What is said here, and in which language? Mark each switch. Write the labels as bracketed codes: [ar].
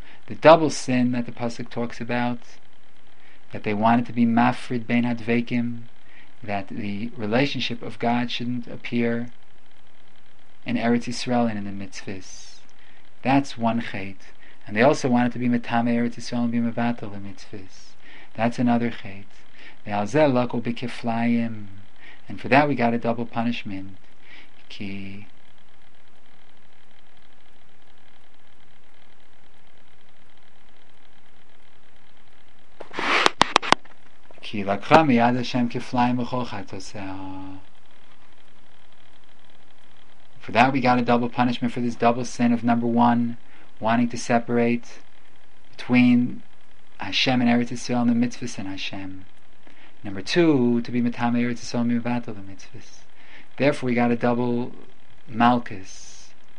[en] The double sin that the pasuk talks about, that they wanted to be mafrid bein hadvekim, that the relationship of God shouldn't appear in Eretz Yisrael and in the mitzvahs. That's one chet. And they also wanted to be metame Eretz Yisrael and be mevatel the mitzvahs. That's another chet. V'alzeh lakol b'kiflayim, and for that we got a double punishment. [he] Ki כי לקחה מיד השם כפליים בכל חטאותיו. [en] For that we got a double punishment for this double sin of number one, wanting to separate between Hashem and Eretz Yisrael and the mitzvahs and Hashem. Number two, to be metame Eretz Yisrael and mevatel the mitzvahs. Therefore we got a double malchus.